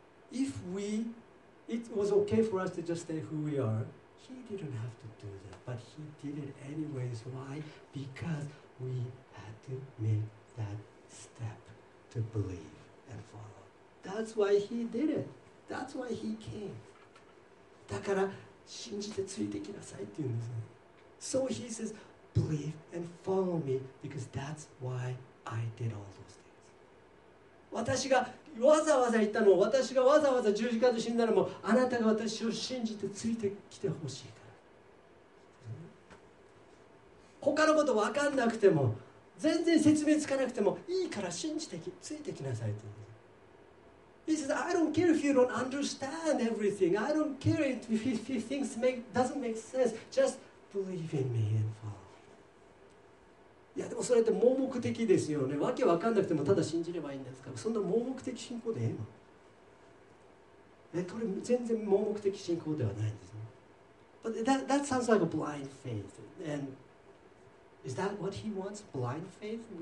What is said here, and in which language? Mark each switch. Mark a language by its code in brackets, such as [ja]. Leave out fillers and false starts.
[en] It was okay for us to just stay who we are. He didn't have to do that, but he did it anyways. Why? Because we had to make that step to believe and follow. That's why he did it. That's why he came. [ja] だから信じてついてきなさいって言うんですね。 [en] So he says, believe and follow me because that's why I did all those things. [ja] 私がわざわざ言ったのも、私がわざわざ十字架で死んだのも、あなたが私を信じてついてきてほしいから。他のこと分かんなくても、全然説明つかなくてもいいから信じてついてきなさいって言うんです。 [en] He says, I don't care if you don't understand everything. I don't care if things doesn't make sense. Just believe in me and follow. [ja] いやでもそれって盲目的ですよね。わけわかんなくてもただ信じればいいんですから、そんな盲目的信仰でええの？これ全然盲目的信仰ではないんですね。 [en] But that sounds like a blind faith. And is that what he wants? Blind faith?